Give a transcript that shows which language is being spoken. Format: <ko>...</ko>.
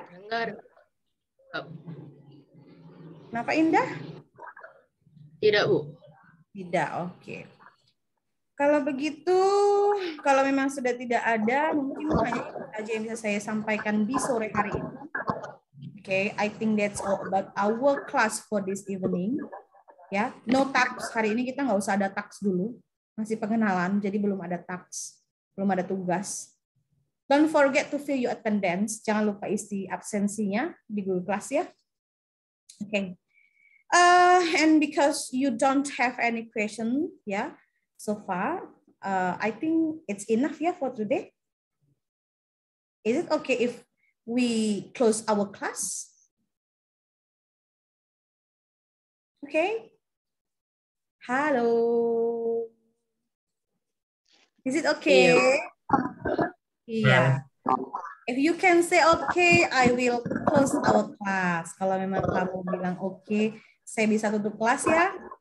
<id>Dengar. Kenapa Indah? Tidak, Bu. Tidak, oke. Okay. Kalau begitu, kalau memang sudah tidak ada, mungkin hanya itu saja yang bisa saya sampaikan di sore hari ini.</id> <en>Oke, okay, I think that's all about our class for this evening. Ya, yeah, no tax.</en> <id>Hari ini kita nggak usah ada tax dulu. Masih pengenalan, jadi belum ada tax. Belum ada tugas.</id> <en>Don't forget to fill your attendance.</en> <id>Jangan lupa isi absensinya di Google Class ya. Oke. Okay.</id> <en>And because you don't have any question, ya, yeah, so far, I think it's enough ya for today. Is it okay if we close our class? Okay. Hello. Is it okay? Yeah. If you can say okay, I will close our class.</en> <id>Kalau memang kamu bilang okay, saya bisa tutup kelas ya.</id>